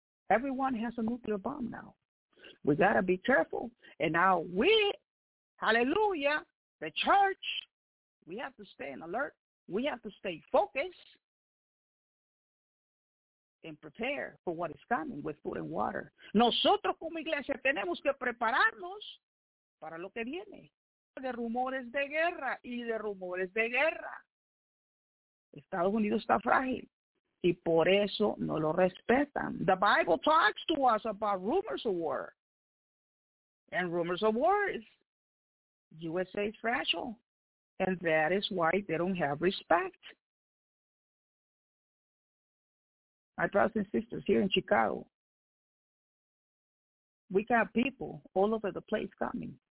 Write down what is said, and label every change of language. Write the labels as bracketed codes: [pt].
[en] Everyone has a nuclear bomb now. We got to be careful. And now we, hallelujah, the church, we have to stay alert. We have to stay focused and prepare for what is coming with food and water. [es] Nosotros como iglesia tenemos que prepararnos para lo que viene. De rumores de guerra y de rumores de guerra. Estados Unidos está frágil y por eso no lo respetan. [en] The Bible talks to us about rumors of war and rumors of wars. USA is fragile, and that is why they don't have respect. My brothers and sisters here in Chicago, we got people all over the place coming.